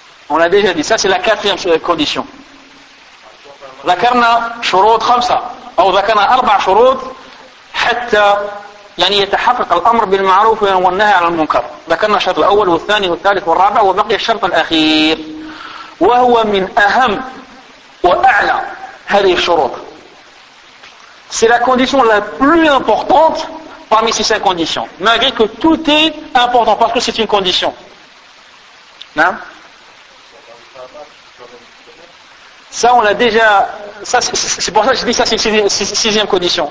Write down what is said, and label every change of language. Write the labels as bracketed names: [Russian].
[French] On l'a déjà dit, ça c'est la quatrième condition. [Arabic] Zakarna shurut khamsa, ou zakarna arba shurut, hatta يعني يتحقق الأمر بالمعروف والنهي عن المنكر. ذكرنا الشرط الأول والثاني والثالث والرابع وبقي الشرط الأخير وهو من أهم وأعلى هذه الشروط. [French] C'est la condition la plus importante parmi ces cinq conditions. Malgré que tout est important parce que c'est une condition. Non? Ça on l'a déjà. Ça c'est pour ça que je dis ça c'est une sixième condition.